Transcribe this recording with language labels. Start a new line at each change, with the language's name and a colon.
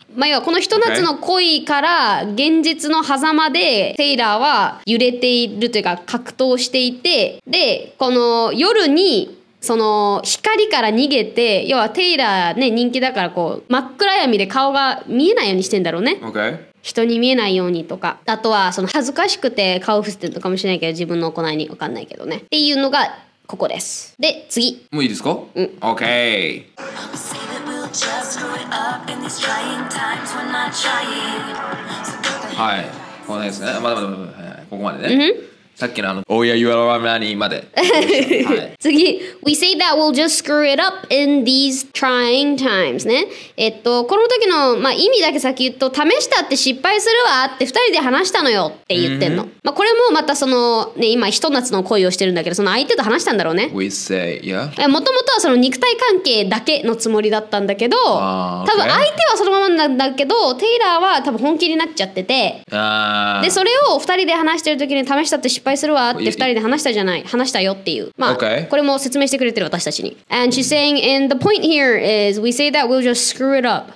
Japanese: まあ、要はこの一夏の恋から現実の狭間でテイラーは揺れているというか格闘していて、でこの夜にその光から逃げて、要はテイラーね、人気だからこう真っ暗闇で顔が見えないようにしてんだろうね、
English: okay.
Japanese: 人に見えないようにとか、あとはその恥ずかしくて顔伏せてるのかもしれないけど自分の行いに分かんないけどねっていうのがここです。で次もういいですか。うん、
English: OK。 Just grew up in these trying times we're not trying.
Japanese: はい、ここまでですね。まだ、ここまでね。 Mm-hmm. さっきのあの、
English: Oh yeah, you are my money
Japanese: まで。はい、次、
English: We say that we'll just screw it up in these trying times ね。
Japanese: この時の、まあ、意味だけ先言うと、試したって失敗するわって二人で話したのよって言ってんの。 Mm-hmm. まあ、これもまたその、ね、今、一夏の恋をしてるんだけど、その相手と話したんだろうね。
English: We say, yeah.
Japanese: もともとはその肉体関係だけのつもりだったんだけど、
English: okay.
Japanese: 多分相手はそのままなんだけど、テイラーは多分本気になっちゃってて、で、それを二人で話してる時に試したって失敗するわって二人で話したじゃない、話したよっていう、まあ、
English: okay.
Japanese: これも説明してくれてる私たちに。
English: And she's saying, and the point here is we say that we'll just screw it up.